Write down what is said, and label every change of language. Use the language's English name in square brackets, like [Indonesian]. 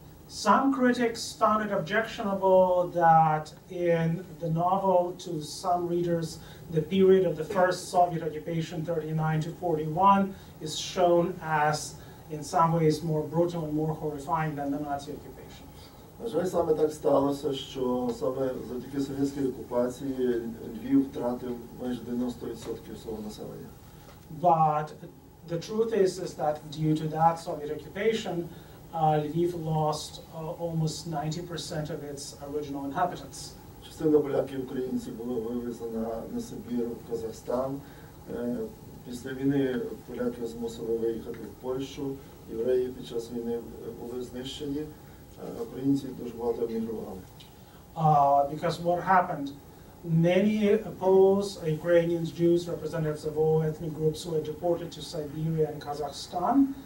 [English] Some critics found it objectionable that in the novel, to some readers, the period of the first Soviet occupation, 39-41, is shown as in some ways more brutal and more horrifying than the Nazi occupation. [Ukrainian] На жаль, саме так сталося, що саме завдяки совєтській окупації Львів втратив майже 90% свого населення. [English] But the truth is that due to that Soviet occupation, Lviv lost almost 90% of its original inhabitants. [Ukrainian] Частина поляків, українців була вивезена на Сибір, в Казахстан. Після війни поляки змусили виїхати в Польщу. Євреї під час війни були знищені. українці дуже багато емігрували. [English] Because what happened? Many Poles, Ukrainians, Jews, representatives of all ethnic groups who were deported to Siberia and Kazakhstan.